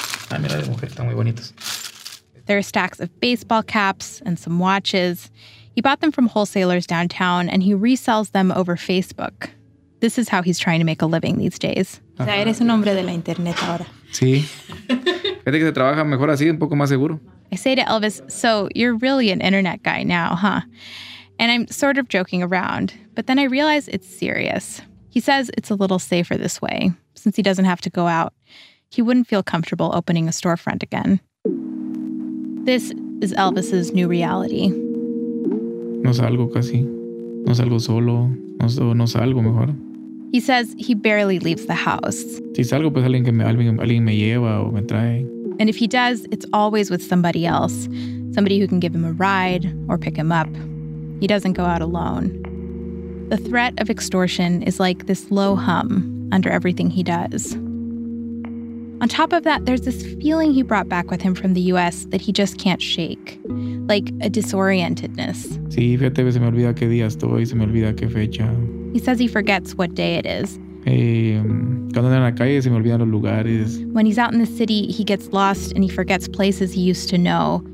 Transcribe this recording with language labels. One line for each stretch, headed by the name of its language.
Spanish: Ay, mira, de mujer, están muy bonitos.
English: There are stacks of baseball caps and some watches. He bought them from wholesalers downtown, and he resells them over Facebook. This is how he's trying to make a living these days.
Spanish: Uh-huh. O sea, eres un hombre de la internet ahora. Sí. Fíjate que se trabaja mejor así, un poco más seguro.
English: I say to Elvis, so you're really an internet guy now, huh? And I'm sort of joking around, but then I realize it's serious. He says it's a little safer this way, since he doesn't have to go out. He wouldn't feel comfortable opening a storefront again. This is Elvis's new reality.
Spanish: No salgo casi. No salgo solo. No salgo mejor.
English: He says he barely leaves the house.
Spanish: Si salgo, pues alguien me lleva o me trae.
English: And if he does, it's always with somebody else. Somebody who can give him a ride or pick him up. He doesn't go out alone. The threat of extortion is like this low hum under everything he does. On top of that, there's this feeling he brought back with him from the U.S. that he just can't shake, like a disorientedness.
Spanish: Sí, fíjate, se me olvida qué día estoy, se me olvida qué fecha.
English: He says he forgets what day it is.
Spanish: Cuando ando en la calle, se me olvidan los lugares.
English: When he's out in the city, he gets lost and he forgets places he used to know.